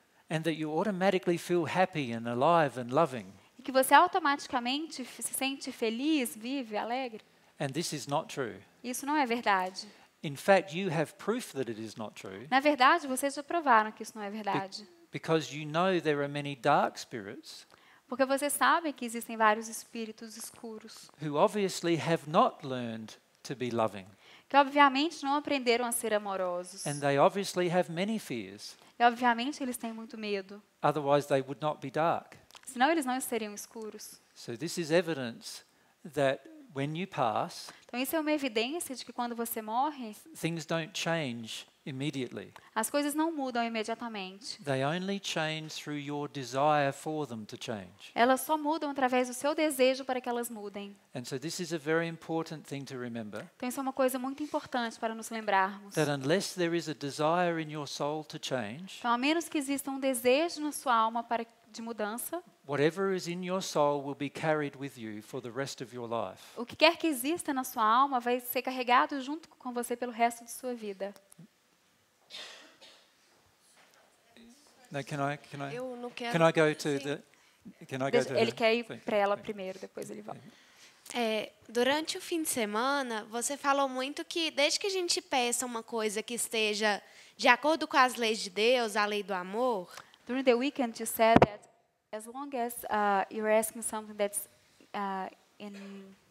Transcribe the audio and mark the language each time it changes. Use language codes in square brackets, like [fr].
[en] And that you automatically feel happy and alive and loving. [pt] E que você automaticamente se sente feliz, vive, alegre. [en] And this is not true. [pt] Isso não é verdade. [en] In fact, you have proof that it is not true. [pt] Na verdade, vocês já provaram que isso não é verdade. [en] Because you know there are many dark spirits. [pt] Porque vocês sabem que existem vários espíritos escuros. [en] Who obviously have not learned to be loving. [pt] Que obviamente não aprenderam a ser amorosos. [en] And they obviously have many fears. [pt] E obviamente eles têm muito medo. [en] Otherwise they would not be dark. [pt] Senão eles não seriam escuros. [en] So this is evidence that when you pass, [pt] então isso é uma evidência de que quando você morre, [en] things don't change immediately. [pt] As coisas não mudam imediatamente. [en] They only change through your desire for them to change. [pt] Elas só mudam através do seu desejo para que elas mudem. [en] And so this is a very important thing to remember. [pt] Então isso é uma coisa muito importante para nos lembrarmos. [en] That unless there is a desire in your soul to change, [pt] então, a menos que exista um desejo na sua alma para de mudança, [en] whatever is in your soul will be carried with you for the rest of your life. [pt] O que quer que exista na sua alma vai ser carregado junto com você pelo resto de sua vida. [en] Now, can I go to [pt] ele quer ir para ela primeiro, depois ele vai. É, durante o fim de semana, você falou muito que desde que a gente peça uma coisa que esteja de acordo com as leis de Deus, a lei do amor. [en] During the weekend, you said that as long as you're asking something that's in